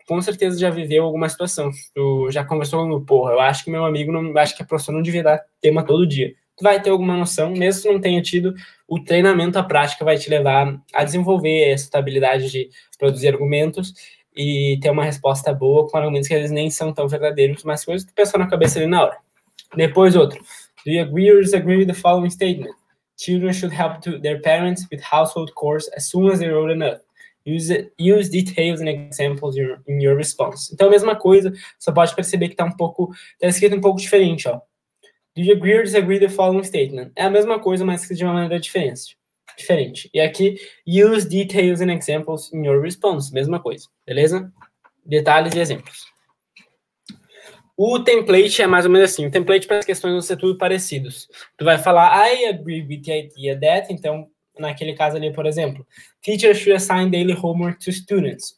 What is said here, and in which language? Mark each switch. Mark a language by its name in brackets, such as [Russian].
[Portuguese] Com certeza já viveu alguma situação. Tu já conversou com o porra, eu acho que meu amigo, não, acho que a professora não devia dar tema todo dia. Tu vai ter alguma noção, mesmo se não tenha tido, o treinamento, a prática vai te levar a desenvolver essa habilidade de produzir argumentos e ter uma resposta boa com argumentos que eles nem são tão verdadeiros, mas coisas que tu pensou na cabeça ali na hora. Depois outro. [English] Do you agree or disagree with the following statement? Children should help their parents with household chores as soon as they're old enough. Use details and examples in your response. [Portuguese] Então, a mesma coisa, só pode perceber que tá escrito um pouco diferente, ó. [English] Do you agree or disagree with the following statement? [Portuguese] É a mesma coisa, mas de uma maneira diferente. E aqui, [English] use details and examples in your response. [Portuguese] Mesma coisa, beleza? Detalhes e exemplos. O template é mais ou menos assim. O template para as questões vão ser tudo parecidos. Tu vai falar, [English] I agree with the idea that, [Portuguese] então, naquele caso ali, por exemplo, [English] teachers should assign daily homework to students.